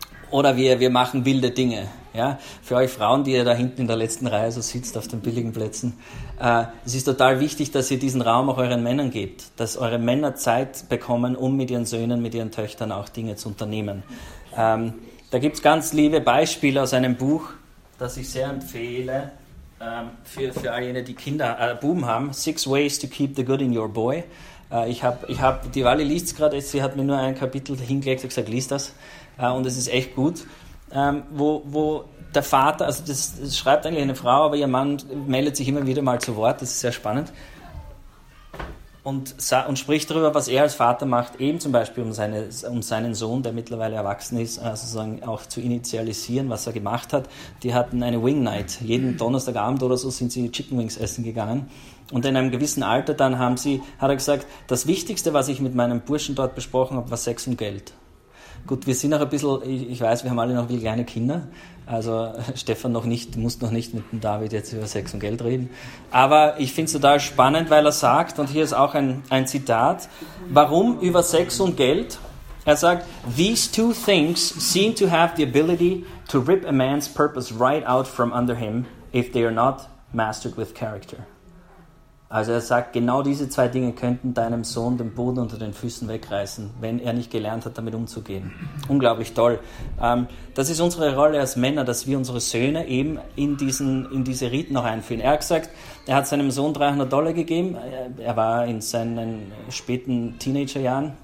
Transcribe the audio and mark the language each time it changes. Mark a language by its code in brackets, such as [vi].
[de] Oder wir machen wilde Dinge. Ja? Für euch Frauen, die ihr da hinten in der letzten Reihe so sitzt, auf den billigen Plätzen, es ist total wichtig, dass ihr diesen Raum auch euren Männern gebt, dass eure Männer Zeit bekommen, um mit ihren Söhnen, mit ihren Töchtern auch Dinge zu unternehmen. Da gibt es ganz liebe Beispiele aus einem Buch, das ich sehr empfehle für all jene, die Kinder, Buben haben. [en] 6 Ways to Keep the Good in Your Boy. [de] Ich habe die Wally liest es gerade, sie hat mir nur ein Kapitel hingelegt und gesagt, lies das. Und es ist echt gut. Wo der Vater, also das schreibt eigentlich eine Frau, aber ihr Mann meldet sich immer wieder mal zu Wort, das ist sehr spannend. Und spricht darüber, was er als Vater macht, eben zum Beispiel um seinen Sohn, der mittlerweile erwachsen ist, sozusagen auch zu initialisieren, was er gemacht hat. Die hatten eine Wing Night. Jeden Donnerstagabend oder so sind sie Chicken Wings essen gegangen. Und in einem gewissen Alter dann hat er gesagt, das Wichtigste, was ich mit meinem Burschen dort besprochen habe, war Sex und Geld. Gut, wir sind noch ein bisschen, ich weiß, wir haben alle noch viele kleine Kinder. Also Stefan muss noch nicht mit dem David jetzt über Sex und Geld reden. Aber ich finde es total spannend, weil er sagt, und hier ist auch ein Zitat, warum über Sex und Geld? Er sagt, [en] these two things seem to have the ability to rip a man's purpose right out from under him if they are not mastered with character. [de] Also er sagt, genau diese zwei Dinge könnten deinem Sohn den Boden unter den Füßen wegreißen, wenn er nicht gelernt hat, damit umzugehen. Unglaublich toll. Das ist unsere Rolle als Männer, dass wir unsere Söhne eben in diese Riten noch einführen. Er hat gesagt, er hat seinem Sohn $300 gegeben. Er war in seinen späten Teenagerjahren.